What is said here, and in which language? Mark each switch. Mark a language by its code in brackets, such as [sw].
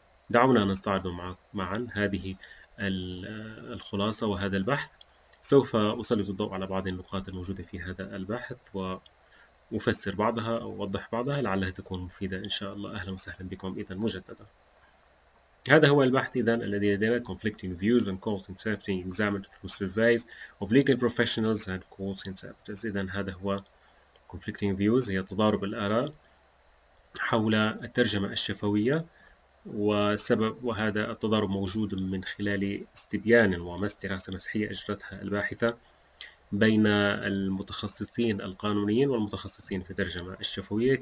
[ar] دعونا نستعرض معا هذه الخلاصة وهذا البحث. سوف أسلط الضوء على بعض النقاط الموجودة في هذا البحث وأفسر بعضها أو أوضح بعضها لعلها تكون مفيدة إن شاء الله. أهلا وسهلا بكم إذا مجددا. هذا هو البحث إذا الذي لدينا: [en] Conflicting views and courts interpreting examined through surveys of legal professionals and courts interpreters. [ar] إذا هذا هو [en] Conflicting views، [ar] هي تضارب الآراء حول الترجمة الشفوية، وسبب وهذا التضارب موجود من خلال استبيان ومس دراسة مسحية أجرتها الباحثة بين المتخصصين القانونيين والمتخصصين في الترجمة الشفوية.